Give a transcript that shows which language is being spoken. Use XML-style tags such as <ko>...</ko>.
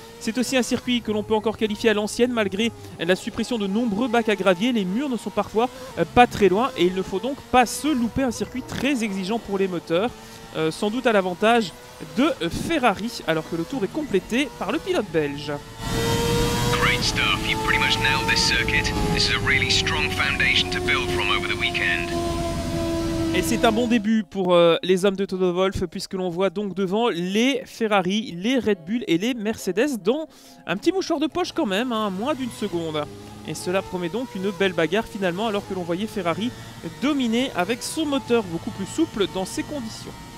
<fr>C'est aussi un circuit que l'on peut encore qualifier à l'ancienne malgré la suppression de nombreux bacs à gravier. Les murs ne sont parfois pas très loin et il ne faut donc pas se louper un circuit très exigeant pour les moteurs. Sans doute à l'avantage de Ferrari alors que le tour est complété par le pilote belge.</fr> <en>Great stuff, you pretty much nailed this circuit. This is a really strong foundation to build from over the weekend.</en> <fr>Et c'est un bon début pour les hommes de Toto Wolff puisque l'on voit donc devant les Ferrari, les Red Bull et les Mercedes dans un petit mouchoir de poche quand même, hein, moins d'une seconde. Et cela promet donc une belle bagarre finalement alors que l'on voyait Ferrari dominer avec son moteur beaucoup plus souple dans ces conditions.</fr>